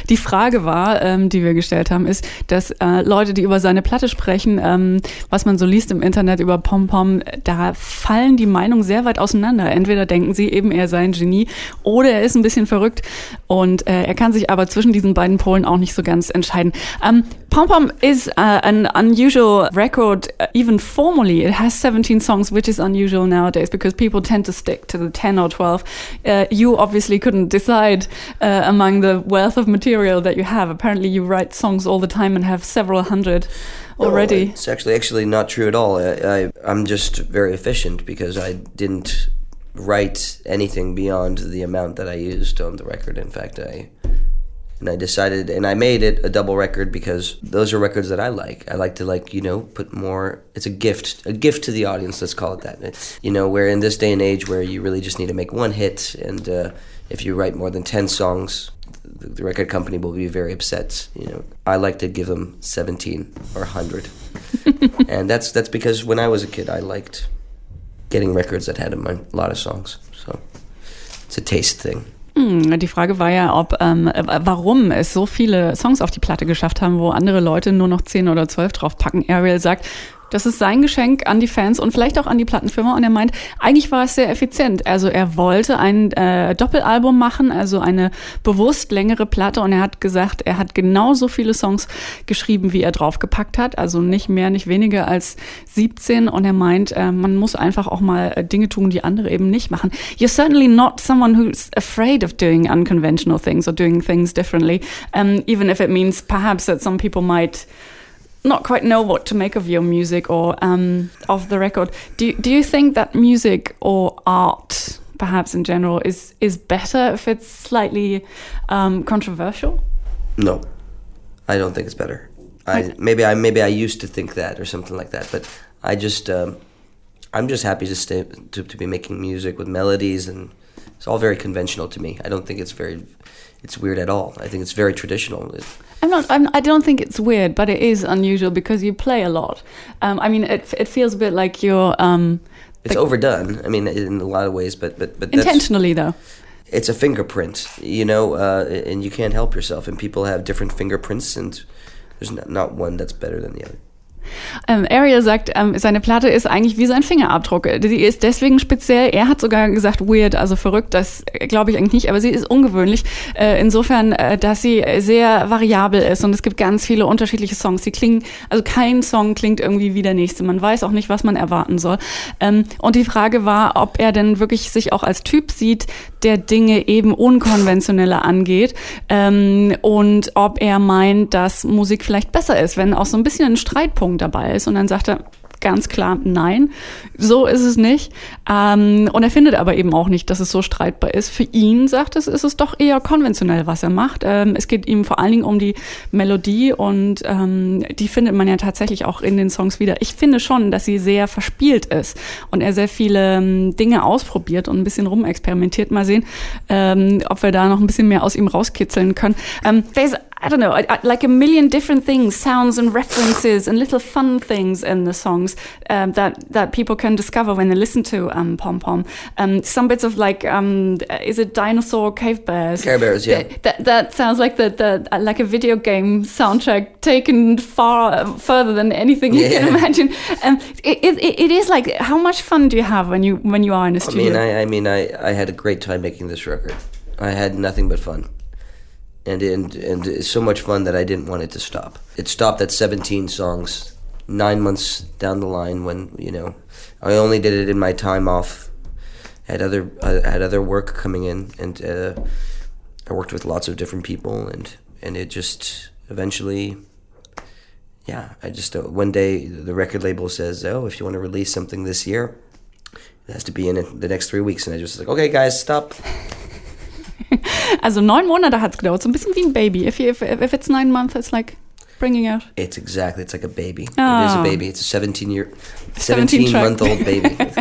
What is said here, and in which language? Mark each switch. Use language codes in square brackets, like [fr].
[de] Die Frage war, die wir gestellt haben, ist, dass Leute, die über seine Platte sprechen, was man so liest im Internet über Pom Pom, da fallen die Meinungen sehr weit auseinander. Entweder denken sie eben, er sei ein Genie, oder er ist ein bisschen verrückt und er kann sich aber zwischen diesen beiden Polen auch nicht so ganz entscheiden. [en] Pom Pom is an unusual record, even formally. It has 17 songs, which is unusual nowadays because people tend to stick to the 10 or 12. You obviously couldn't decide among the wealth of material that you have. Apparently you write songs all the time and have several hundred already. No, it's actually not true at all. I'm just very efficient because I didn't write anything beyond the amount that I used on the record. In fact, I made it a double record because those are records that I like. I like to, like, you know, put more. It's a gift to the audience, let's call it that. You know, we're in this day and age where you really just need to make one hit, and if you write more than 10 songs, the record company will be very upset. You know, I like to give them 17 or 100. And that's because when I was a kid, I liked getting records that had a lot of songs. So it's a taste thing. [de] Die Frage war ja, ob warum es so viele Songs auf die Platte geschafft haben, wo andere Leute nur noch 10 oder 12 draufpacken. Ariel sagt, das ist sein Geschenk an die Fans und vielleicht auch an die Plattenfirma. Und er meint, eigentlich war es sehr effizient. Also er wollte ein Doppelalbum machen, also eine bewusst längere Platte. Und er hat gesagt, er hat genauso viele Songs geschrieben, wie er draufgepackt hat. Also nicht mehr, nicht weniger als 17. Und er meint, man muss einfach auch mal Dinge tun, die andere eben nicht machen. [en] You're certainly not someone who's afraid of doing unconventional things or doing things differently, even if it means perhaps that some people might not quite know what to make of your music or of the record. Do you think that music or art, perhaps in general, is better if it's slightly controversial? No, I don't think it's better. Maybe I used to think that or something like that, but I just I'm just happy to stay to be making music with melodies, and it's all very conventional to me. I don't think it's weird at all. I think it's very traditional. I don't think it's weird, but it is unusual because you play a lot. I mean, it feels a bit like you're... it's overdone, I mean, in a lot of ways, but intentionally, though. It's a fingerprint, you know, and you can't help yourself. And people have different fingerprints, and there's not one that's better than the other. [de] Ariel sagt, seine Platte ist eigentlich wie sein Fingerabdruck. Sie ist deswegen speziell. Er hat sogar gesagt, weird, also verrückt, das glaube ich eigentlich nicht, aber sie ist ungewöhnlich. Insofern, dass sie sehr variabel ist und es gibt ganz viele unterschiedliche Songs. Sie klingen, also kein Song klingt irgendwie wie der nächste. Man weiß auch nicht, was man erwarten soll. Und die Frage war, ob er denn wirklich sich auch als Typ sieht, der Dinge eben unkonventioneller angeht. Und ob er meint, dass Musik vielleicht besser ist, wenn auch so ein bisschen ein Streitpunkt dabei ist, und dann sagt er ganz klar, nein, so ist es nicht. Und er findet aber eben auch nicht, dass es so streitbar ist. Für ihn, sagt er, ist es doch eher konventionell, was er macht. Es geht ihm vor allen Dingen um die Melodie, und die findet man ja tatsächlich auch in den Songs wieder. Ich finde schon, dass sie sehr verspielt ist und er sehr viele Dinge ausprobiert und ein bisschen rumexperimentiert. Mal sehen, ob wir da noch ein bisschen mehr aus ihm rauskitzeln können. There's [en] I don't know, like a million different things, sounds and references and little fun things in the songs that people can discover when they listen to Pom Pom. Some bits of like, is it dinosaur cave bears? Care Bears, yeah. That sounds like the like a video game soundtrack taken further than anything you can imagine. It is like, how much fun do you have when you are in a studio? I had a great time making this record. I had nothing but fun. And it's so much fun that I didn't want it to stop. It stopped at 17 songs, 9 months down the line when, you know, I only did it in my time off. I had other work coming in, and I worked with lots of different people, and it just eventually, yeah, I just, one day the record label says, oh, if you want to release something this year, it has to be in it the next 3 weeks. And I just like, okay, guys, stop. [de] Also 9 Monate hat es gedauert, so ein bisschen wie ein Baby. [en] If it's 9 months, it's like bringing out. It's exactly, it's like a baby. Oh. It is a baby, it's a 17-month-old baby.